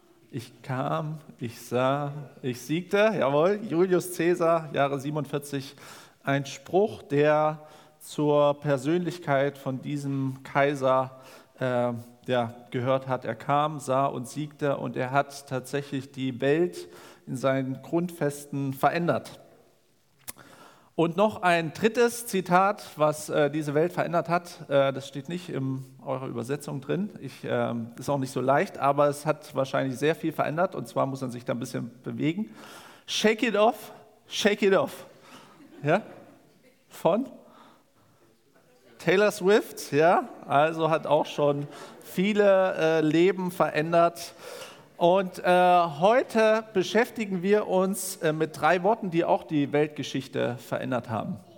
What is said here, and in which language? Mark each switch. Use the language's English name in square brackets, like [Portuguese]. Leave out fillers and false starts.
[German] Ich kam, ich sah, ich siegte, jawohl, Julius Caesar, Jahre 47, ein Spruch, der zur Persönlichkeit von diesem Kaiser gehört hat. Er kam, sah und siegte und er hat tatsächlich die Welt in seinen Grundfesten verändert. Und noch ein drittes Zitat, was diese Welt verändert hat, das steht nicht in eurer Übersetzung drin, ist auch nicht so leicht, aber es hat wahrscheinlich sehr viel verändert und zwar muss man sich da ein bisschen bewegen. [English] Shake it off, shake it off. [German] Ja? Von Taylor Swift, ja, also hat auch schon viele Leben verändert. Und heute beschäftigen wir uns mit drei Worten, die auch die Weltgeschichte verändert haben.